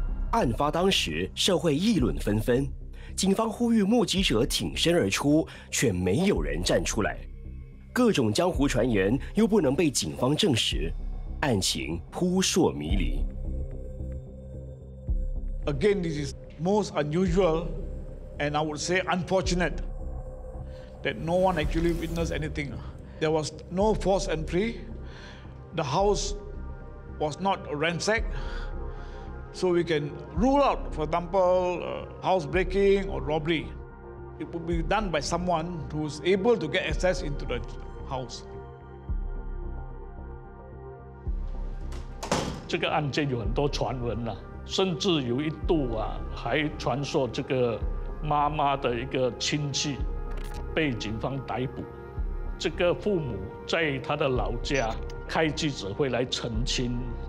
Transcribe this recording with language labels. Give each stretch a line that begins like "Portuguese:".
Chinese: 案发当时，社会议论纷纷，警方呼吁目击者挺身而出，却没有人站出来。各种江湖传言又不能被警方证实。案情扑朔迷离。
English: Again, this is most unusual, and I would say unfortunate that no one actually witnessed anything. There was no forced entry. The house was not ransacked, so we can rule out, for example, housebreaking or robbery. It would be done by someone who is able to get access into the house.
Chinese: 这个案件有很多传闻了，甚至有一度啊，还传说这个妈妈的一个亲戚被警方逮捕，这个父母在他的老家开记者会来澄清。